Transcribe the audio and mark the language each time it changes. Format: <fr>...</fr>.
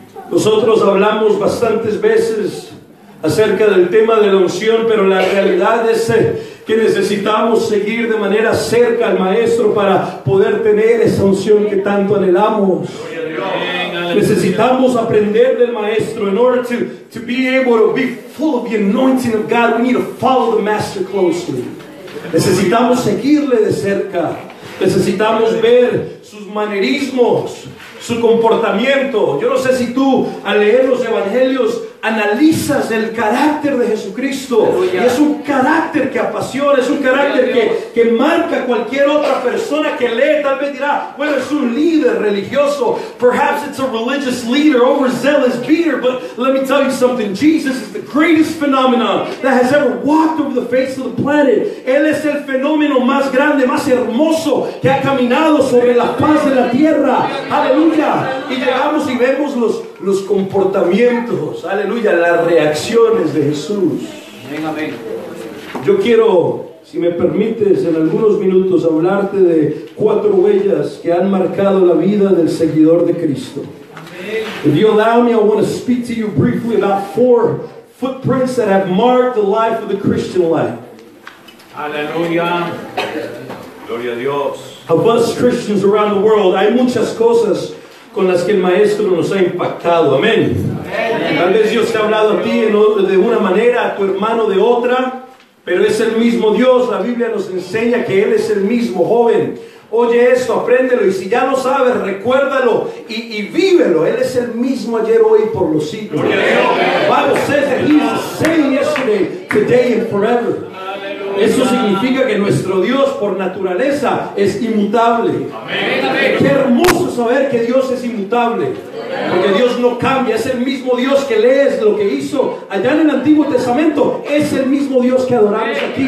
<es>Nosotros hablamos bastantes veces acerca del tema de la unción, pero la realidad es que necesitamos seguir de manera cerca al Maestro para poder tener esa unción que tanto anhelamos. Necesitamos aprender del Maestro.</es> <en>In order to be able to be full of the anointing of God, we need to follow the Master closely.</en> <es>Necesitamos seguirle de cerca. Necesitamos ver sus manerismos, su comportamiento. Yo no sé si tú, al leer los evangelios, analizas el carácter de Jesucristo. Y es un carácter que apasiona, es un carácter que marca cualquier otra persona que lee. Tal vez dirá, bueno, es un líder religioso,</es> <en>perhaps it's a religious leader, overzealous leader, but let me tell you something, Jesus is the greatest phenomenon that has ever walked over the face of the planet.</en> <es>Él es el fenómeno más grande, más hermoso que ha caminado sobre la faz de la tierra. Aleluya. Y llegamos y vemos los comportamientos, aleluya, las reacciones de Jesús. Amén, amén. Yo quiero, si me permites, en algunos minutos hablarte de cuatro huellas que han marcado la vida del seguidor de Cristo. Amén.</es> <en>If you allow me, I want to speak to you briefly about four footprints that have marked the life of the Christian life.</en> <es>Aleluya. Gloria a Dios.</es> <en>Of us Christians around the world,</en> <es>hay muchas cosas con las que el Maestro nos ha impactado. Amén. Tal vez Dios te ha hablado a ti de una manera, a tu hermano de otra, pero es el mismo Dios. La Biblia nos enseña que Él es el mismo. Joven, oye esto, apréndelo, y si ya lo sabes, recuérdalo y vívelo. Él es el mismo ayer, hoy y por los siglos. Amén.</es> <en>The Bible says that He is the same yesterday, today and forever.</en> <es>Eso significa que nuestro Dios por naturaleza es inmutable. Amén. Qué hermoso saber que Dios es inmutable. Porque Dios no cambia, es el mismo Dios que lees lo que hizo allá en el Antiguo Testamento, es el mismo Dios que adoramos aquí.</es>